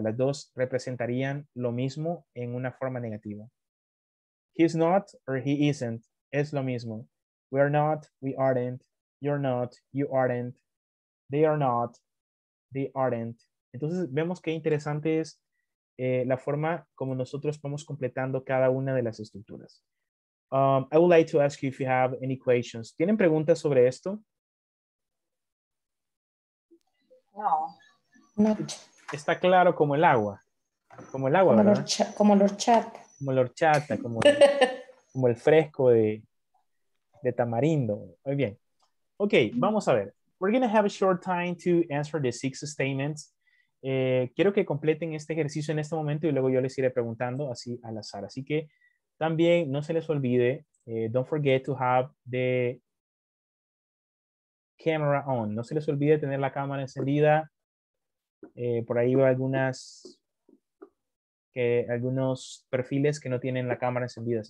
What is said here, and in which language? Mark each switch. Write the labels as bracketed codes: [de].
[es] Las dos representarían lo mismo en una forma negativa. [en] He's not or he isn't. [es] Es lo mismo. [en] We are not, we aren't, you're not, you aren't, they are not, they aren't. [es] Entonces vemos qué interesante es la forma como nosotros vamos completando cada una de las estructuras. [en] I would like to ask you if you have any questions. [es] ¿Tienen preguntas sobre esto? No. No. Está claro como el agua. Como el agua, como ¿verdad? Como la horchata. Como la horchata, como, como el fresco de tamarindo. Muy bien. Ok, vamos a ver. [en] We're going to have a short time to answer the six statements. [es] Quiero que completen este ejercicio en este momento y luego yo les iré preguntando así al azar. Así que también no se les olvide, [en] don't forget to have the camera on. [es] No se les olvide tener la cámara encendida. Por ahí veo algunos perfiles que no tienen la cámara encendida.